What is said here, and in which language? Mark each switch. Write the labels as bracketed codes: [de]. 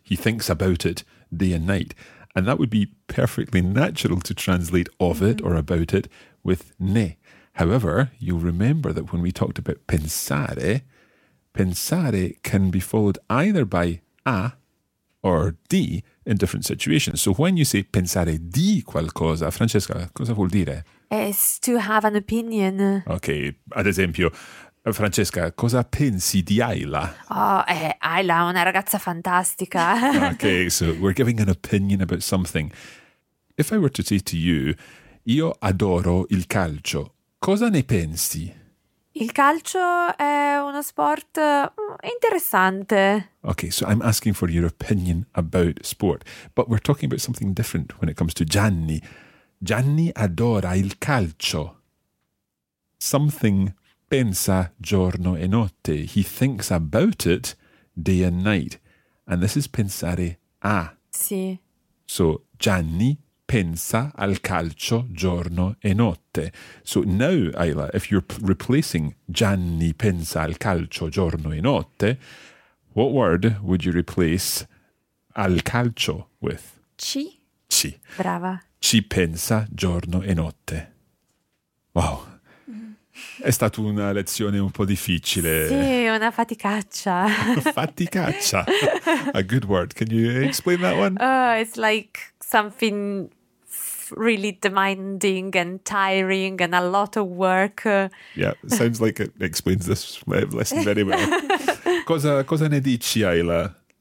[en] He thinks about it day and night. And that would be perfectly natural to translate of mm-hmm. it or about it with nay. However, you'll remember that when we talked about pensare, pensare can be followed either by a or D in different situations. So when you say [it] pensare di qualcosa, Francesca, cosa vuol dire? [en] It's to have an opinion. [it] Okay, ad esempio, Francesca, cosa pensi di Ayla? Oh, Ayla è una ragazza fantastica. [en] Okay, so we're giving an opinion about something. If I were to say to you, [it] io adoro il calcio, cosa ne pensi? Il calcio è uno sport interessante. [en] Okay, so I'm asking for your opinion about sport. But we're talking about something different when it comes to Gianni. [it] Gianni adora il calcio. Something pensa giorno e notte. [en] He thinks about it day and night. And this is pensare a. [it] Sì. So Gianni pensa al calcio giorno e notte. [en] So now, Ayla, if you're replacing [it] Gianni pensa al calcio giorno e notte, [en] what word would you replace [it] al calcio [en] with? [it] Ci. Ci. Brava. Ci pensa giorno e notte. Wow. Mm-hmm. È stata una lezione un po' difficile. Sì, una faticaccia. [en] Faticaccia. A good word. Can you explain that one? It's like something... really demanding and tiring and a lot of work. Yeah, sounds like it explains this lesson very well. [it] Cosa ne dici, Ayla?